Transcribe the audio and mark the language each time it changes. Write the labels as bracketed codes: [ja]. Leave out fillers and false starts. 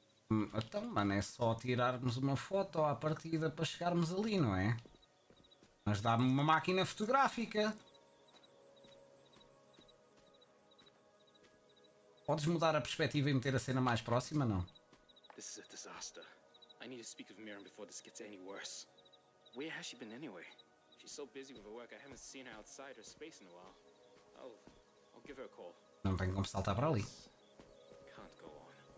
[pt] Então, mano, é só tirarmos uma foto à partida para chegarmos ali, não é? Mas dá-me uma máquina fotográfica. Podes mudar a perspectiva e meter a cena mais próxima, não? [en] This is a disaster. I need to speak with Miriam before this gets any worse. Where has she been anyway? She's so busy with her work, I haven't seen her outside her space in a while. I'll give her a call. [pt] Não tem como saltar para ali. [en] Can't go on.